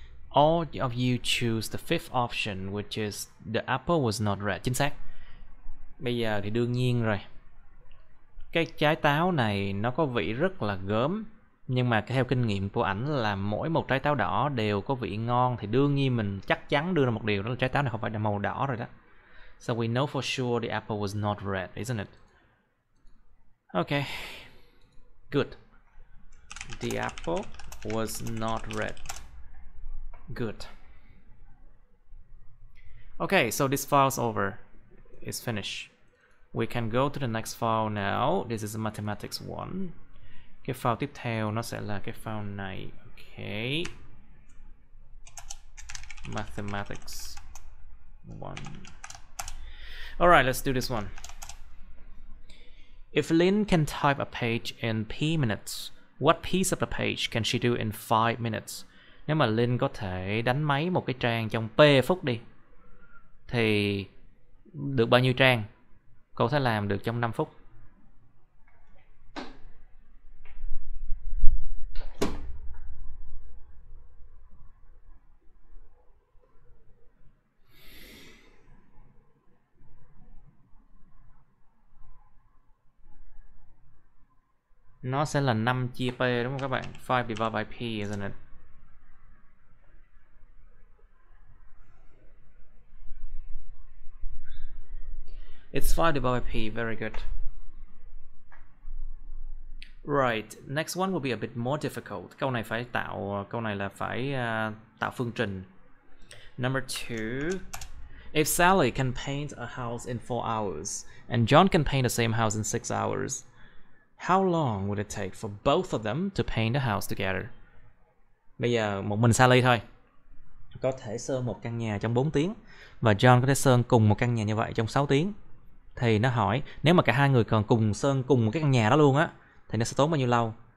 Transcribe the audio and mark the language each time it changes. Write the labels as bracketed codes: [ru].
[en] All of you choose the fifth option, which is the apple was not red. [vi] Chính xác. Bây giờ thì đương nhiên rồi. Cái trái táo này nó có vị rất là gớm. Nhưng mà theo kinh nghiệm của ảnh là mỗi một trái táo đỏ đều có vị ngon, thì đương nhiên mình chắc chắn đưa ra một điều, đó là trái táo này không phải là màu đỏ rồi đó. [en] So we know for sure the apple was not red, isn't it? Okay. Good. The apple was not red. Good. Okay, so this file's over. It's finished. We can go to the next file now. This is a mathematics one. [vi] Cái file tiếp theo nó sẽ là cái file này. [en] Okay. Mathematics one. All right, let's do this one. If Lin can type a page in P minutes, what piece of the page can she do in 5 minutes? [vi] Nếu mà Lin có thể đánh máy một cái trang trong P phút đi, thì được bao nhiêu trang? Cô sẽ làm được trong 5 phút. Nó sẽ là 5 chia P đúng không các bạn? [en] 5 divided by P, isn't it? It's 5 divided by P, very good. Right, next one will be a bit more difficult. [vi] Câu này phải tạo, câu này là phải tạo phương trình. [en] Number 2. If Sally can paint a house in 4 hours and John can paint the same house in 6 hours, how long would it take for both of them to paint the house together? [vi] Bây giờ một mình Sally thôi có thể sơn một căn nhà trong 4 tiếng và John có thể sơn cùng một căn nhà như vậy trong 6 tiếng. Thì nó hỏi nếu mà cả hai người còn cùng sơn cùng một cái căn nhà đó luôn á thì nó sẽ tốn bao nhiêu lâu?